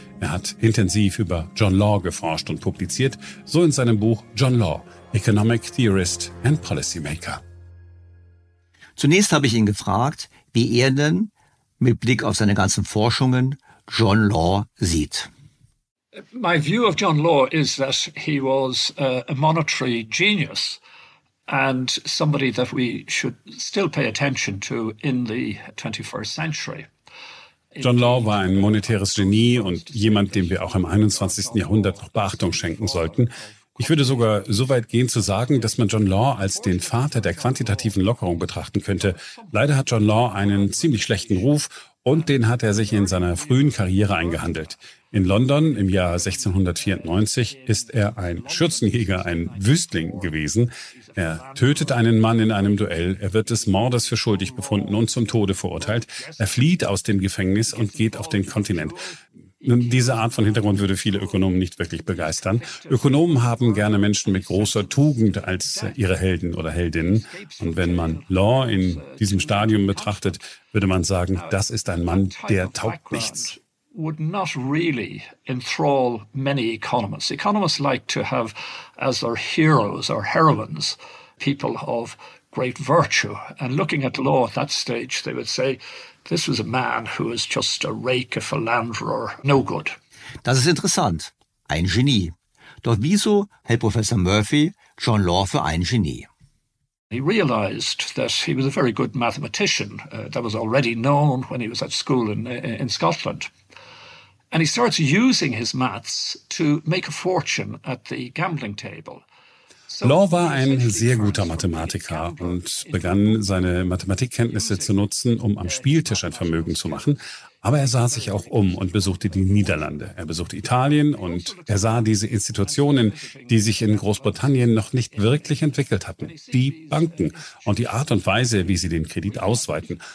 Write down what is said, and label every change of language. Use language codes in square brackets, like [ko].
[de] Er hat intensiv über John Law geforscht und publiziert, so in seinem Buch John Law, Economic Theorist and Policymaker. Zunächst habe ich ihn gefragt, wie er denn mit Blick auf seine ganzen Forschungen John Law sieht. [en] My view of John Law is that he was a monetary genius and somebody that we should still pay attention to in the 21st century. [de] John Law war ein monetäres Genie und jemand, dem wir auch im 21. Jahrhundert noch Beachtung schenken sollten. Ich würde sogar so weit gehen zu sagen, dass man John Law als den Vater der quantitativen Lockerung betrachten könnte. Leider hat John Law einen ziemlich schlechten Ruf und den hat er sich in seiner frühen Karriere eingehandelt. In London im Jahr 1694 ist er ein Schürzenjäger, ein Wüstling gewesen. Er tötet einen Mann in einem Duell. Er wird des Mordes für schuldig befunden und zum Tode verurteilt. Er flieht aus dem Gefängnis und geht auf den Kontinent. Nun, diese Art von Hintergrund würde viele Ökonomen nicht wirklich begeistern. Ökonomen haben gerne Menschen mit großer Tugend als ihre Helden oder Heldinnen. Und wenn man Law in diesem Stadium betrachtet, würde man sagen, das ist ein Mann, der taugt nichts. [en] Would not really enthrall many economists. Economists like to have as their heroes or heroines people of great virtue. And looking at Law at that stage, they would say, this was a man who was just a rake, a philanderer, no good. [de] Das ist interessant. Ein Genie. Doch wieso hält Professor Murphy John Law für ein Genie? [en] He realized that he was a very good mathematician. That was already known when he was at school in Scotland. And he starts using his maths to make a fortune at the gambling table. [de] Law war ein sehr guter Mathematiker und begann seine Mathematikkenntnisse zu nutzen, um am Spieltisch ein Vermögen zu machen. Aber er sah sich auch um und besuchte die Niederlande. Er besuchte Italien und er sah diese Institutionen, die sich in Großbritannien noch nicht wirklich entwickelt hatten, die Banken und die Art und Weise, wie sie den Kredit ausweiten.